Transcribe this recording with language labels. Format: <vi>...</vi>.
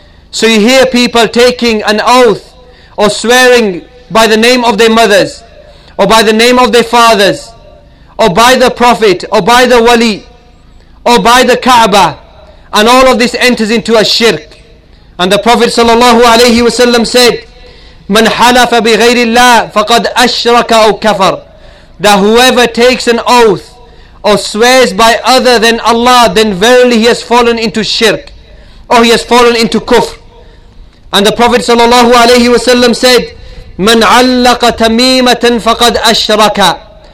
<en>So you hear people taking an oath or swearing by the name of their mothers, or by the name of their fathers, or by the Prophet, or by the Wali, or by the Kaaba. And all of this enters into a shirk. And the Prophet sallallahu alayhi wasallam said,</en> <ar>مَنْ حَلَفَ بِغَيْرِ اللَّهِ فَقَدْ أَشْرَكَ أَوْ كَفَرَ.</ar> <en>That whoever takes an oath or swears by other than Allah, then verily he has fallen into shirk, or he has fallen into kufr. And the Prophet sallallahu alayhi wasallam said,</en> <ar>مَنْ عَلَّقَ تَمِيمَةً فَقَدْ أَشْرَكَ.</ar>